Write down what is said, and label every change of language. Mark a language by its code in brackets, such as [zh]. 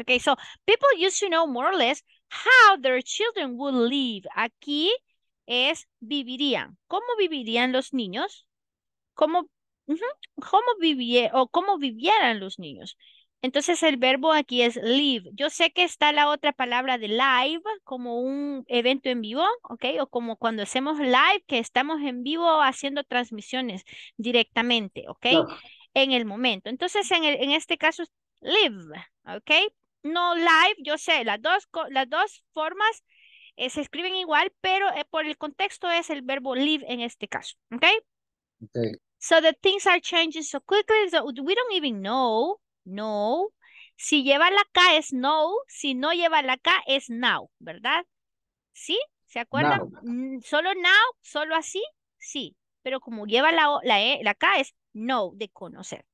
[en] Okay, so people used to know more or less how their children would live. [es] Aquí es vivirían. ¿Cómo vivirían los niños? ¿Cómo, cómo vivie, o cómo vivieran los niños? Entonces el verbo aquí es live. Yo sé que está la otra palabra de live como un evento en vivo, ¿ok? O como cuando hacemos live, que estamos en vivo haciendo transmisiones directamente, ¿ok? En el momento. Entonces en el, en este caso es live, ¿ok? No live, yo sé, las dos formas se escriben igual, pero por el contexto es el verbo live en este caso, ¿ok? Okay. [en] So the things are changing so quickly that we don't even know. [es] No, si lleva la K es no, si no lleva la K es now, ¿verdad? ¿Sí? ¿Se acuerdan? ¿Solo now? ¿Solo así? Sí, pero como lleva la K es no, de conocer.